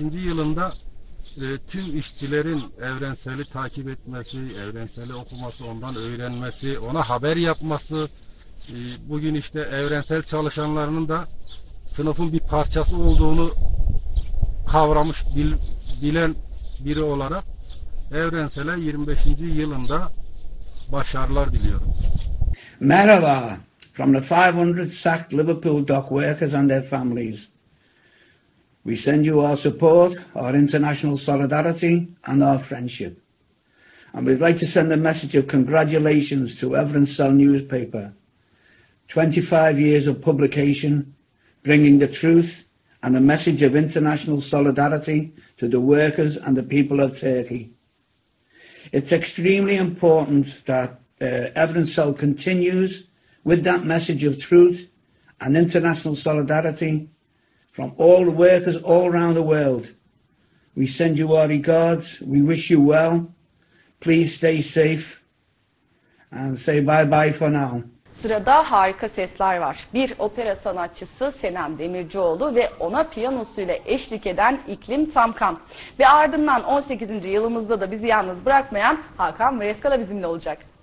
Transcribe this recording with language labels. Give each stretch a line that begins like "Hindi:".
Turkish: yılında tüm işçilerin Evrensel'i takip etmesi, Evrensel'i okuması, ondan öğrenmesi, ona haber yapması, bugün işte Evrensel çalışanlarının da sınıfın bir parçası olduğunu kavramış, bilen biri olarak Evrensel'e 25. yılında başarılar diliyorum. Merhaba.
English: From the 500 sacked Liverpool dock workers and their families, we send you our support, our international solidarity and our friendship. And we'd like to send a message of congratulations to Evrensel newspaper. 25 years of publication, bringing the truth and a message of international solidarity to the workers and the people of Turkey. It's extremely important that Evrensel continues with that message of truth and international solidarity from all the workers all around the world. We send you our regards. We wish you well. Please stay safe and say bye bye for now.
Turkish: Sırada harika sesler var. Bir opera sanatçısı Senem Demircioğlu ve ona piyanosuyla eşlik eden İklim Tamkan. Ve ardından 18. yılımızda da bizi yalnız bırakmayan Hakan Mreskala bizimle olacak.